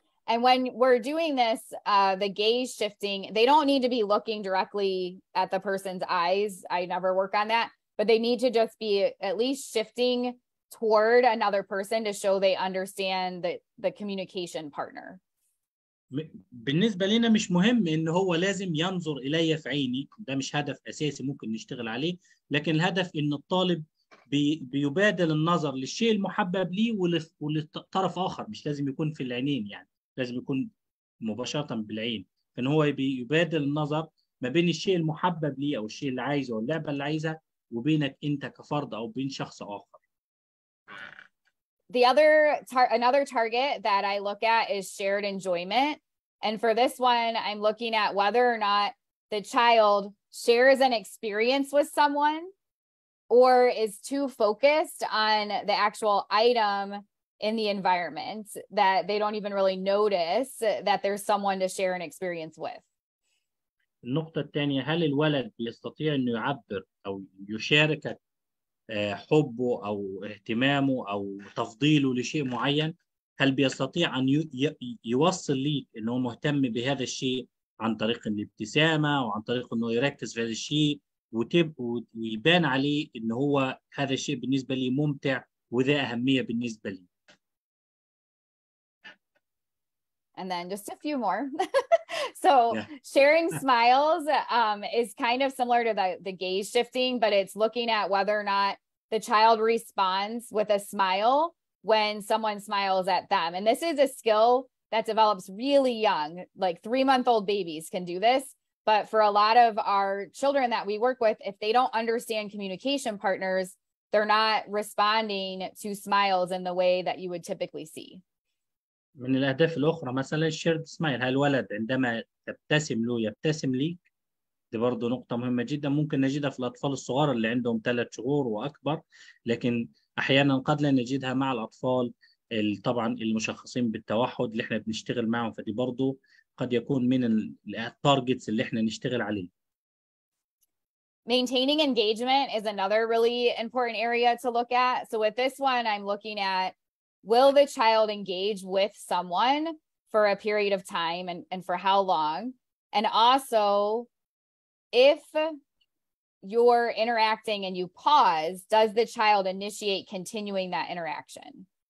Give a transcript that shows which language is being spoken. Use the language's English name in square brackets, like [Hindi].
[English] And when we're doing this, the gaze shifting, they don't need to be looking directly at the person's eyes. I never work on that, but they need to just be at least shifting toward another person to show they understand the communication partner. [Arabic] بالنسبة لنا مش مهم ان هو لازم ينظر إلي في عيني، ده مش هدف أساسي ممكن نشتغل عليه، لكن الهدف ان الطالب بيبادل النظر للشيء المحبب ليه ولطرف آخر، مش لازم يكون في العينين يعني. لازم يكون مباشرة بالعين، فإن هو بيبادل النظر ما بين الشيء المحبب لي أو الشيء اللي عايزه أو اللعبة اللي عايزها وبينك أنت كفرد أو بين شخص آخر. [English] The other another target that I look at is shared enjoyment. And for this one, I'm looking at whether or not the child shares an experience with someone or is too focused on the actual item in the environment that they don't even really notice that there's someone to share an experience with. [Arabic] النقطة الثانية، هل الولد يستطيع أن يعبر أو يشاركك حبه أو اهتمامه أو تفضيله لشيء معين؟ هل بيستطيع أن يوصل لي أنه مهتم بهذا الشيء عن طريق الابتسامة أو عن طريق أنه يركز في هذا الشيء ويبان عليه أنه هو هذا الشيء بالنسبة لي ممتع وذا أهمية بالنسبة لي؟ [English] And then just a few more. So yeah. Sharing smiles is kind of similar to the gaze shifting, but it's looking at whether or not the child responds with a smile when someone smiles at them. And this is a skill that develops really young, like 3-month-old babies can do this. But for a lot of our children that we work with, if they don't understand communication partners, they're not responding to smiles in the way that you would typically see. [Arabic] من الأهداف الأخرى مثلا الشيرد سمايل، هل الولد عندما تبتسم له يبتسم ليك؟ دي برضو نقطة مهمة جدا، ممكن نجدها في الأطفال الصغار اللي عندهم 3 شهور وأكبر، لكن أحيانا قد لا نجدها مع الأطفال طبعا المشخصين بالتوحد اللي احنا بنشتغل معهم، فدي برضو قد يكون من التارجتس اللي احنا نشتغل عليه. [English] Maintaining engagement is another really important area to look at. So with this one, I'm looking at, will the child engage with someone for a period of time and for how long? And also, if you're interacting and you pause, does the child initiate continuing that interaction?